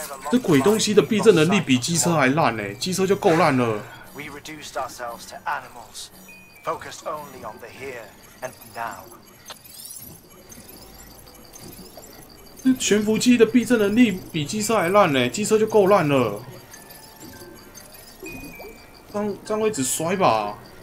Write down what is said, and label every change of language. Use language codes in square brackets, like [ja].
[zh] 这鬼东西的避震能力比机车还烂呢、欸，机车就够烂了。 [en] We reduced ourselves to animals, focused only on the here and now. [zh] 这悬浮机的避震能力比机车还烂呢、欸，机车就够烂了。这样会一直摔吧？